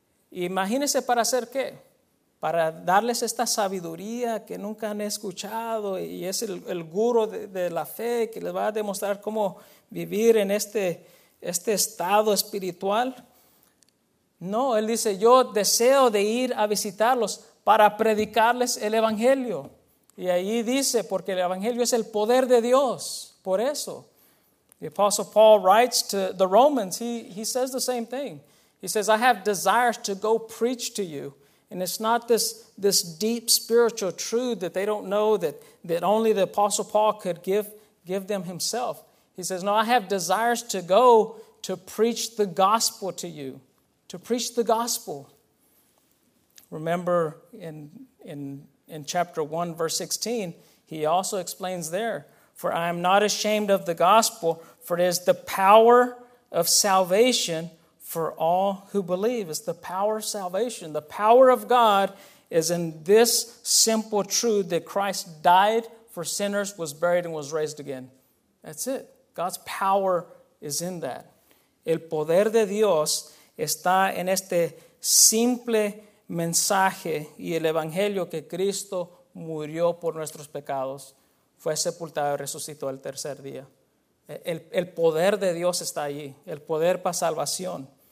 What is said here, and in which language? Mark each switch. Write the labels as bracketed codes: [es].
[es] Imagínense, ¿para hacer qué? Para darles esta sabiduría que nunca han escuchado, y es el guru de la fe que les va a demostrar cómo vivir en este estado espiritual. No, él dice, yo deseo de ir a visitarlos para predicarles el evangelio. Y ahí dice, porque el evangelio es el poder de Dios, por eso. [en] The Apostle Paul writes to the Romans, he says the same thing. He says, I have desires to go preach to you. And it's not this deep spiritual truth that they don't know that only the Apostle Paul could give them himself. He says, no, I have desires to go to preach the gospel to you. To preach the gospel. Remember in chapter 1, verse 16, he also explains there, for I am not ashamed of the gospel, for it is the power of salvation for all who believe. It's the power of salvation. The power of God is in this simple truth that Christ died for sinners, was buried, and was raised again. That's it. God's power is in that. [es] El poder de Dios está en este simple mensaje y el evangelio que Cristo murió por nuestros pecados, fue sepultado y resucitó el tercer día. El poder de Dios está allí. El poder para salvación.